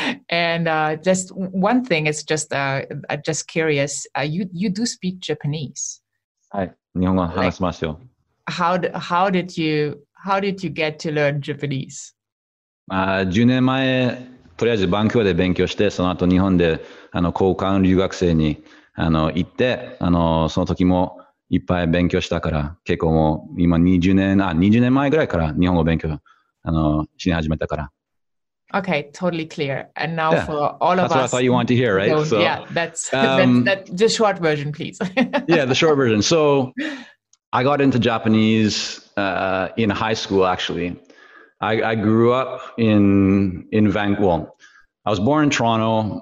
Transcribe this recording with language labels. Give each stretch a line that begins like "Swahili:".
English: And just one thing is just, I'm just curious, you do speak Japanese.
Japanese: Hi. Nihongo hanasumasu. How did you get to learn Japanese? 10年前、とりあえずバンクーバーで勉強して、その後日本で交換留学生に行って、その時もいっぱい勉強したから、結構もう今20年前ぐらいから日本語勉強しに始めたから。
English: Okay, totally clear. And now for all of us. That's what I thought you wanted to hear, right? So, yeah, that's the short version, please. Yeah, the short version. So I got into Japanese in high school, actually. I grew up in Vancouver. Well, I was born in Toronto.